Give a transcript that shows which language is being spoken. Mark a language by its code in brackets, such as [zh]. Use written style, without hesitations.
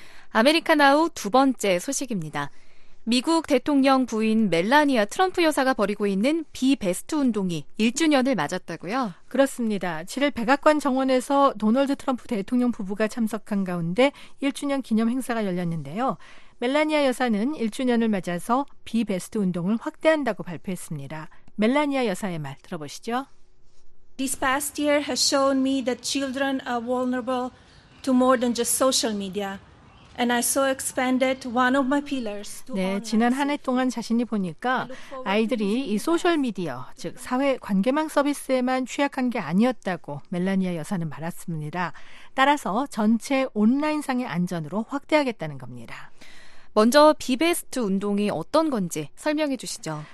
[ko] 아메리카나우 두 번째 소식입니다. 미국 대통령 부인 멜라니아 트럼프 여사가 벌이고 있는 비베스트 운동이 1주년을 맞았다고요? 그렇습니다. 7일 백악관 정원에서 도널드 트럼프 대통령 부부가 참석한 가운데 1주년 기념 행사가 열렸는데요. 멜라니아 여사는 1주년을 맞아서 비베스트 운동을 확대한다고 발표했습니다. 멜라니아 여사의 말 들어보시죠. [en] This past year has shown me that children are vulnerable to more than just social media. And I so expanded one of my pillars. [ko] 네, 지난 한 해 동안 자신이 보니까 아이들이 이 소셜미디어, 즉 사회 관계망 서비스에만 취약한 게 아니었다고 멜라니아 여사는 말했습니다. 따라서 전체 온라인상의 안전으로 확대하겠다는 겁니다. 먼저 비베스트 운동이 어떤 건지 설명해 주시죠.